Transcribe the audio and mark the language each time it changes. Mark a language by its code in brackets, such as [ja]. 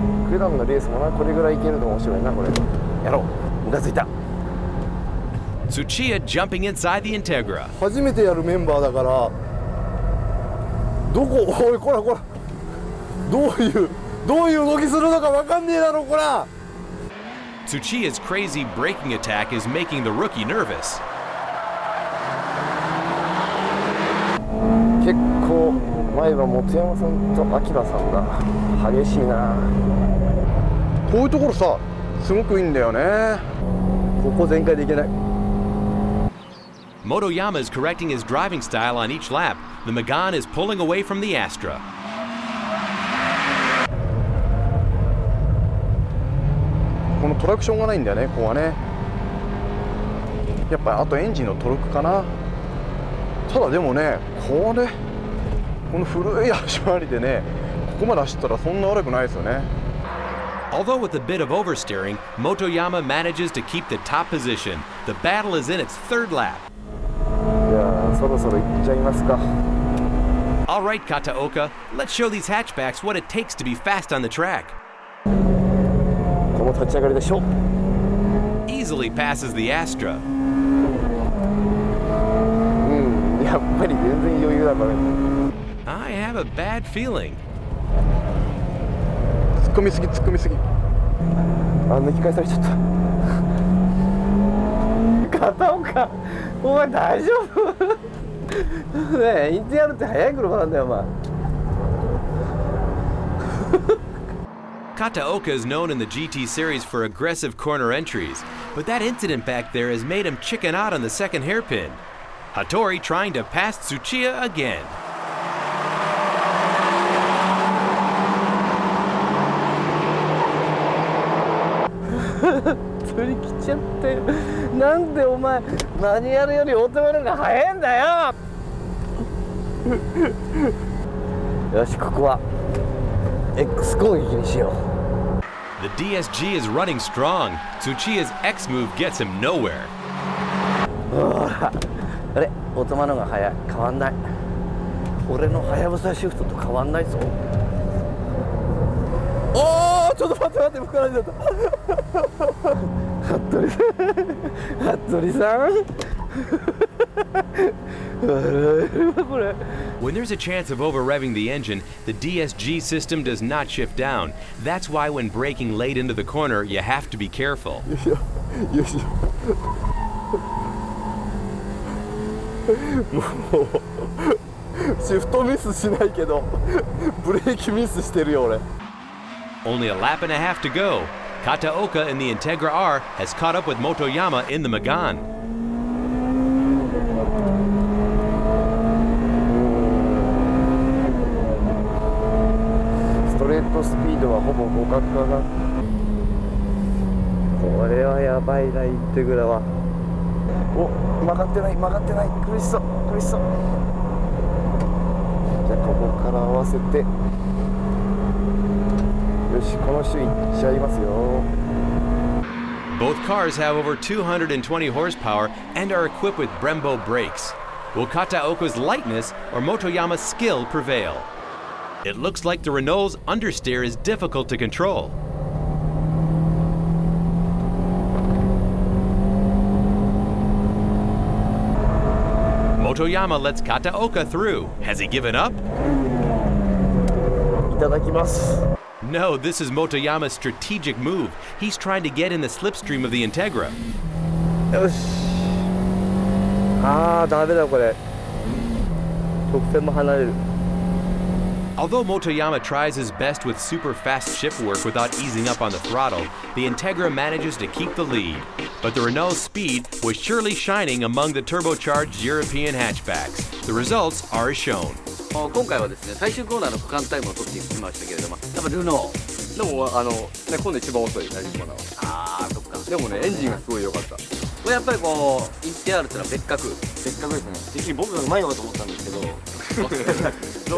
[ja] 普段のレースもな、これぐらいいけると面白いな。これやろう。ムカついた。 [en] Tsuchiya jumping inside the Integra. [ja] 初めてやるメンバーだから、どこ、おい、こらこら、どういう動きするのか分かんねえだろ、こら。 [en] Tsuchiya's crazy braking attack is making the rookie nervous. [ja] 結構前は本山さんと明さんが激しいな。こういうところさ、すごくいいんだよね。ここ全開でいけない。 [en] Motoyama is correcting his driving style on each lap. The Megane is pulling away from the Astra. [ja] トラクションがないんだよね、ここはね。やっぱりあとエンジンのトルクかな。ただでもね、これこの古い足回りでね、ここまで走ったらそんな悪くないですよね。 [en] Although with a bit of oversteering, Motoyama manages to keep the top position. The battle is in its third lap. [ja] いやー、そろそろ行っちゃいますか。 [en] All right, Kataoka, let's show these hatchbacks what it takes to be fast on the track. [ja] この立ち上がりでしょ。 [en] Easily passes the Astra. [ja] やっぱり全然余裕だからね。 [en] I have a bad feeling. [ja] 突っ込みすぎ、突っ込みすぎ。あ、抜き返されちゃった。片岡、お前大丈夫？ねえ、インティアルって速い車なんだよ、お前。 [en] Kataoka is known in the GT series for aggressive corner entries, but that incident back there has made him chicken out on the second hairpin. Hattori trying to pass Tsuchiya again. [ja] 振り切っちゃってる。なんでお前マニュアルよりオートマの方が早いんだよ。よし、ここは X 攻撃にしよう。 [en] The DSG is running strong. Tsuchiya's X move gets him nowhere. [ja] あれ、オートマの方が早い、変わんない。俺のハヤブサシフトと変わんないぞ。おお、ちょっと待って待って、膨らんじゃった。ハットリさん、ハットリさん。これ。 [en] When there's a chance of over-revving the engine, the DSG system does not shift down. That's why when braking late into the corner, you have to be careful. [ja] よし。もう。シフトミスしないけど、ブレーキミスしてるよ俺。 [en] Only a lap and a half to go. Kataoka in the Integra R has caught up with Motoyama in the Megane. [ja] ストレートスピードはほぼ互角かな。これはやばいな、インテグラは。お、曲がってない、曲がってない。苦しそう、苦しそう。じゃあここから合わせて。よし、この周囲行っちゃいますよ。 [en] Both cars have over 220 horsepower and are equipped with Brembo brakes. Will Kataoka's lightness or Motoyama's skill prevail? It looks like the Renault's understeer is difficult to control. Motoyama lets Kataoka through. Has he given up? [ja] いただきます。 [en] No, this is Motoyama's strategic move. He's trying to get in the slipstream of the Integra. [ja] よし。ああ、ダメだこれ。直線も離れる。 [en] Although Motoyama tries his best with super fast shiftwork without easing up on the throttle, the Integra manages to keep the lead. But the Renault's speed was surely shining among the turbocharged European hatchbacks. The results are as shown. [ja] 今回はですね、最終コーナーの区間タイムを取ってきましたけれども、やっぱルノー。でも、ね、今度一番遅い、最終コーナーは。ああ、そっか。でもね、エンジンがすごい良かった。これやっぱりこう、インティアールってのは別格。別格ですね。実に僕が上手いのかと思ったんですけど、